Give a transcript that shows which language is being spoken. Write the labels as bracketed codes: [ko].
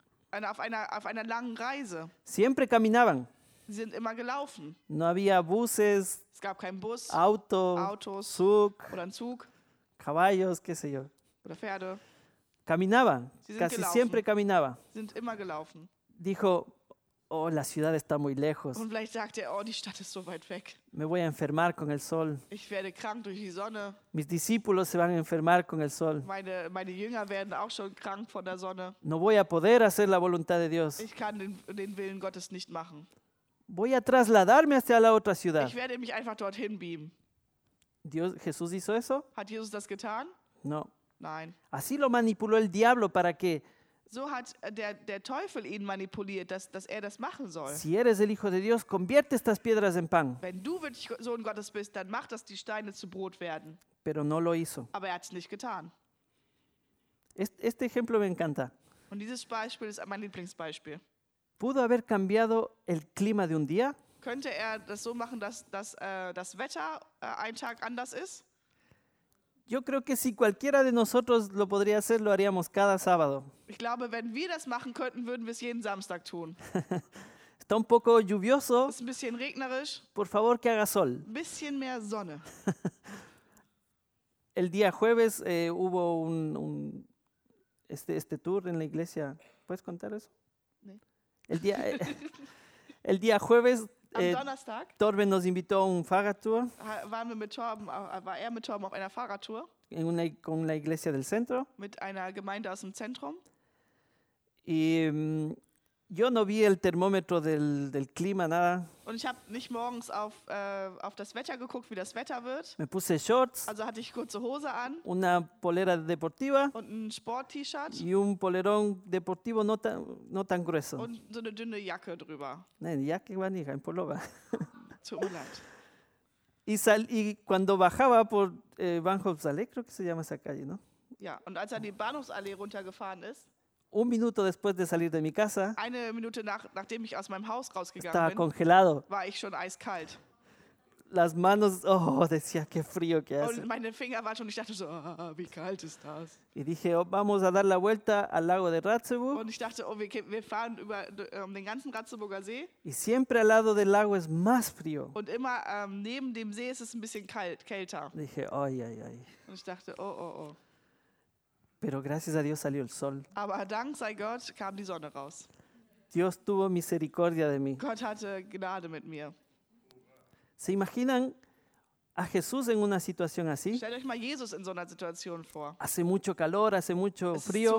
[de] Auf einer langen Reise. [es] Siempre caminaban. [de] Sie sind immer gelaufen. [es] No había buses. [de] Es gab keinen Bus. Auto. Autos. Zug. Oder ein Zug. [es] Caballos, qué sé yo. [de] Oder Pferde. [es] Caminaban. Casi [de] gelaufen. [es] Siempre caminaba. [de] Sie sind immer gelaufen. [es] Dijo, oh, la ciudad está muy lejos. [de] Und vielleicht sagt er, oh, die Stadt ist so weit weg. [es] Me voy a enfermar con el sol. [de] Ich werde krank durch die Sonne. [es] Mis discípulos se van a enfermar con el sol. [de] Meine Jünger werden auch schon krank von der Sonne. [es] No voy a poder hacer la voluntad de Dios. [de] Ich kann den Willen Gottes nicht machen. [es] Voy a trasladarme hacia la otra ciudad. [de] Ich werde mich einfach dorthin beamen. [es] Dios, ¿Jesús hizo eso? [de] Hat Jesus das getan? [es] No. [de] Nein. [es] Así lo manipuló el diablo para que [de] so hat der Teufel ihn manipuliert, dass er das machen soll. [es] Si eres el hijo de Dios, convierte estas piedras en pan. [de] Wenn du wirklich Sohn Gottes bist, dann mach, dass die Steine zu Brot werden. [es] Pero no lo hizo. [de] Aber er hat es nicht getan. [es] Este ejemplo me encanta. [de] Und dieses Beispiel ist mein Lieblingsbeispiel. [es] ¿Pudo haber cambiado el clima de un día? [de] Könnte er das so machen, dass das Wetter einen Tag anders ist? [es] Yo creo que si cualquiera de nosotros lo podría hacer, lo haríamos cada sábado. [de] Ich glaube, wenn wir das machen könnten, würden wir es jeden Samstag tun. [es] Está un poco lluvioso. [de] Es ist ein bisschen regnerisch. [es] Por favor, que haga sol. [de] Ein bisschen mehr Sonne. [es] El día jueves hubo un tour en la iglesia. ¿Puedes contar eso? [de] Nee. [es] El día jueves [de] Am Donnerstag. Dort, wenn [es] nos invitó a una Fahrradtour. [de] War er mit Torben auf einer Fahrradtour. [es] Con la iglesia del centro. [de] Mit einer Gemeinde aus dem Zentrum. [es] Y yo no vi el termómetro del clima, nada. [de] Und ich habe nicht morgens auf das Wetter geguckt, wie das Wetter wird. [es] Me puse shorts. [de] Also hatte ich kurze Hose an. [es] Una polera deportiva. [de] Und ein Sport-T-Shirt. [es] Y un polerón deportivo no tan grueso. [de] Und so eine dünne Jacke drüber. Nein, Jacke war nicht, ein Pullover. Tut mir leid. [es] Y cuando bajaba por Bahnhofsallee, creo que se llama esa calle, ¿no? [de] Ja, und als er die Bahnhofsallee runtergefahren ist. [es] Un minuto después de salir de mi casa. [de] Eine Minute nachdem ich aus meinem Haus rausgegangen [es] estaba [de] bin. [es] Estaba congelado. [de] War ich schon eiskalt. [es] Las manos, decía qué frío que hace. [de] Und meine Finger waren schon, ich dachte so, wie kalt ist das. [es] Y dije, vamos a dar la vuelta al lago de Ratzeburg. [de] Und ich dachte, wir fahren über den ganzen Ratzeburger See. [es] Y siempre al lado del lago es más frío. [de] Und immer neben dem See ist es ein bisschen kälter. [es] Y dije, ay, ay, ay. [de] Und ich dachte, oh. [es] Pero gracias a Dios salió el sol. [de] Aber dank sei Gott kam die Sonne raus. [es] Dios tuvo misericordia de mí. [de] Gott hatte Gnade mit mir. [es] ¿Se imaginan a Jesús en una situación así? [de] Stellt euch mal Jesus in so einer Situation vor. [es] Hace mucho calor, hace mucho frío.